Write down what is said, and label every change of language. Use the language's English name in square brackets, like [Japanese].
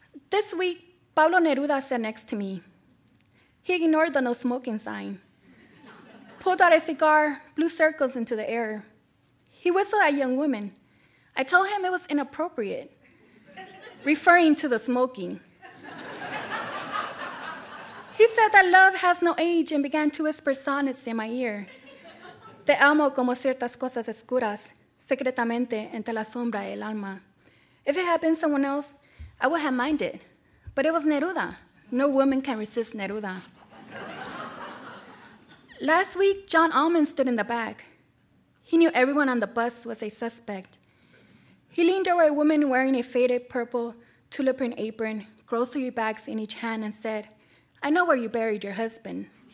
[English] This week, Pablo Neruda sat next to me. He ignored the no smoking sign, pulled out a cigar, blew circles into the air. He whistled at young women. I told him it was inappropriate, referring to the smoking. He said that love has no age and began to whisper sonnets in my ear. [Spanish] Te amo como ciertas cosas oscuras, secretamente entre la sombra y el alma. [English] If it had been someone else, I would have minded. But it was Neruda. No woman can resist Neruda. Last week, John Allman stood in the back. He knew everyone on the bus was a suspect. He leaned over a woman wearing a faded purple tulip-print apron, grocery bags in each hand, and said, I know where you buried your husband.